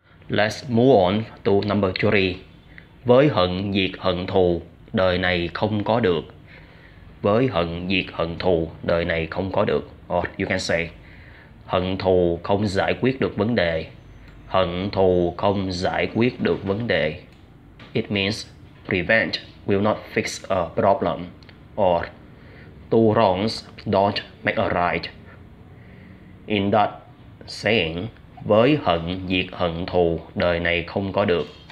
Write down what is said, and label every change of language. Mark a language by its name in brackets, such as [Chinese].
[English] Let's move on to number three. [Vietnamese] Với hận diệt hận thù, đời này không có được. Với hận diệt hận thù, đời này không có được. [English] Or you can say, [Vietnamese] hận thù không giải quyết được vấn đề. Hận thù không giải quyết được vấn đề. [English] It means revenge will not fix a problem. Or two wrongs don't make a right. In that saying, [Vietnamese] với hận diệt hận thù, đời này không có được.